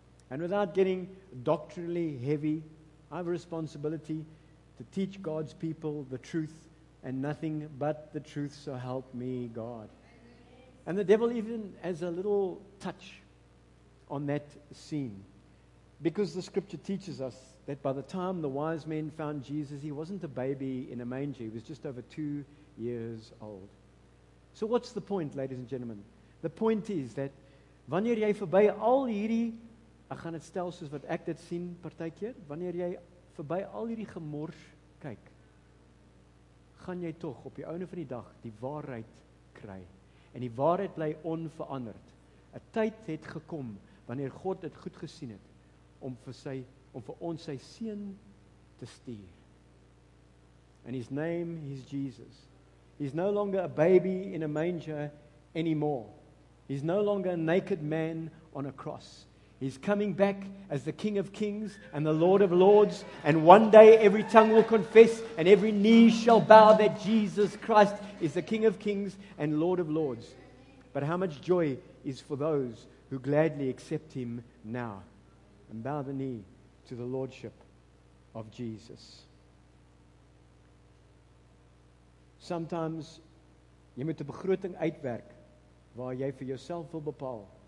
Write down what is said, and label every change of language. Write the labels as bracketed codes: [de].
[en] And without getting doctrinally heavy, I have a responsibility to teach God's people the truth and nothing but the truth, so help me God. And the devil even has a little touch on that scene, because the scripture teaches us that by the time the wise men found Jesus, he wasn't a baby in a manger. He was just over 2 years old. So what's the point, ladies and gentlemen? The point is that [af] wanneer jy verby al hierdie, ek gaan dit stel soos wat ek dit sien partykeer, wanneer jy verby al hierdie gemors kyk, gaan jy tog op die einde van die dag die waarheid kry. En die waarheid bly onveranderd. 'N tyd het gekom wanneer God dit goed gesien het om vir ons sy seun te stuur. [en] And his name is Jesus. He's no longer a baby in a manger anymore. He's no longer a naked man on a cross. He's coming back as the King of Kings and the Lord of Lords. And one day every tongue will confess and every knee shall bow that Jesus Christ is the King of Kings and Lord of Lords. But how much joy is for those who gladly accept him now and bow the knee to the Lordship of Jesus. Sometimes [af] jy moet 'n begroting uitwerk waar jy vir jouself wil bepaal.